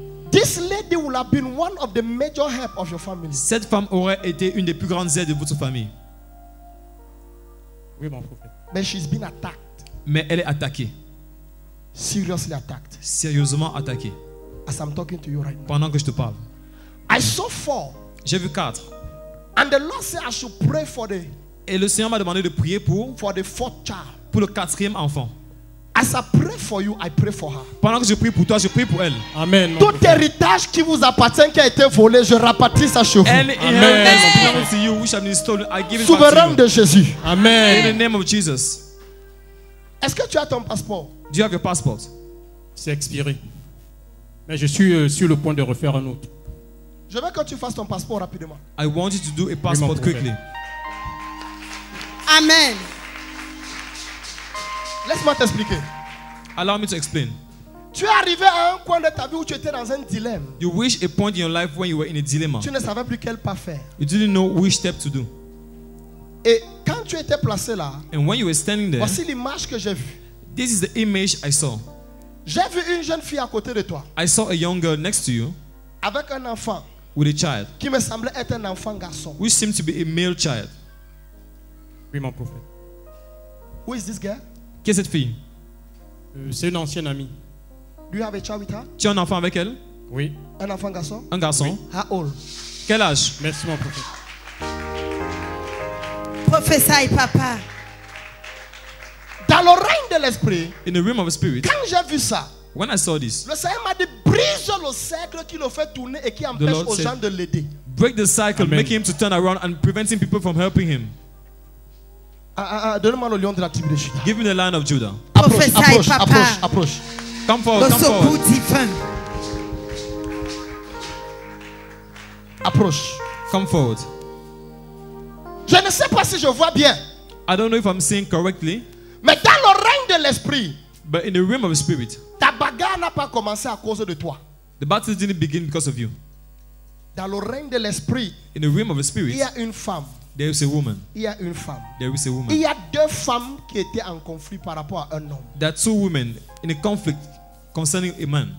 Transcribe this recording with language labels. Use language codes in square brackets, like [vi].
[en] This lady will have been one of the major help of your family. [fr] Cette femme aurait été une des plus grandes aides de votre famille. Oui, mon prophète. [en] But she's been attacked. [fr] Mais elle est attaquée. [en] Seriously attacked. [fr] Sérieusement attaqué. [en] As I'm talking to you right now. [fr] Pendant que je te parle. [en] I saw four. [fr] J'ai vu quatre. [en] And the Lord said I should pray for the. [fr] Et le Seigneur m'a demandé de prier pour. [en] For the fourth child. [fr] Pour le quatrième enfant. [en] As I pray for you, I pray for her. [fr] Pendant que je prie pour toi, je prie pour elle. Amen. Tout héritage qui vous appartient qui a été volé, je rapatrie ça chez vous. Amen. Amen. Souverain de Jésus. Amen. [en] In the name of Jesus. [fr] Est-ce que tu as ton passeport? [en] Do you have your passport? [fr] C'est expiré. Mais je suis sur le point de refaire un autre. Je veux que tu fasses ton passeport rapidement. [en] I want you to do a passport quickly. Amen. [fr] Laisse-moi t'expliquer. [en] Allow me to explain. [fr] Tu es arrivé à un point de ta vie où tu étais dans un dilemme. [en] You reached a point in your life when you were in a dilemma. [fr] Tu ne savais plus quel pas faire. [en] You didn't know which step to do. [fr] Et quand tu étais placé là, [en] and when you were standing there, [fr] voici l'image que j'ai vue. [en] This is the image I saw. [fr] J'ai vu une jeune fille à côté de toi. [en] I saw a young girl next to you. [fr] Avec un enfant. [en] With a child. [fr] Qui me semblait être un enfant garçon. [en] Which seemed to be a male child. [fr] Oui, mon prophète. [en] Who is this girl? [fr] Qui est cette fille? C'est une ancienne amie. [en] Do you have a child with her? [fr] Tu as un enfant avec elle? Oui. Un enfant garçon? Un garçon. Oui. [en] How old? [fr] Quel âge? Merci, mon prophète. Professeur et papa. Dans le règne de l'esprit, in the realm of spirit, quand j'ai vu ça, when I saw this, le Seigneur m'a dit, brise le cercle qui le fait tourner et qui empêche aux [en] said, [fr] gens de l'aider. [en] Break the cycle, amen, making him to turn around and preventing people from helping him. [fr] Donne-moi le lion de la tribu de Judas. [en] Give me the lion of Judah. [fr] Professeur et papa. Approche. [en] Come forward, come forward. [fr] Divin. Approche. [en] Come forward. [fr] Je ne sais pas si je vois bien. [en] I don't know if I'm seeing correctly. [fr] Mais dans le règne de l'esprit. [en] But in the realm of spirit. [fr] Ta bagarre n'a pas commencé à cause de toi. [en] The battle didn't begin because of you. [fr] Dans le règne de l'esprit. [en] In the realm of spirit. [fr] Il y a une femme. [en] There is a woman. [fr] Il y a une femme. [en] There is a woman. [fr] Il y a deux femmes qui étaient en conflit par rapport à un homme. [en] There are two women in a conflict concerning a man.